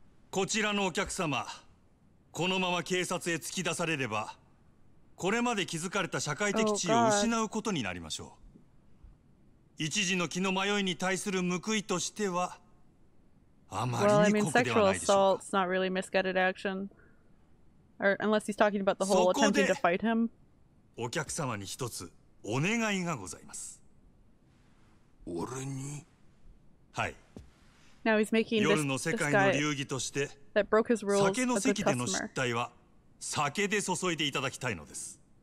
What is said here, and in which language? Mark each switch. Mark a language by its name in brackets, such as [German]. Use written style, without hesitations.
[Japanese] こちらのお客様、このまま警察へ突き出されれば、これまで築かれた社会的地位を失うことになりましょう。一時の気の迷いに対する報いとしてはあまりに酷ではないでしょうか。 [English] Well, I mean, sexual assault's not really misguided action. Or, unless he's talking about the whole attempting to fight him. [Japanese] お客様に一つお願いがございます。俺に。はい。 [English] Now he's making this, [Japanese] 夜の世界の流儀として、酒の席での失態は酒で注いでいただきたいのです。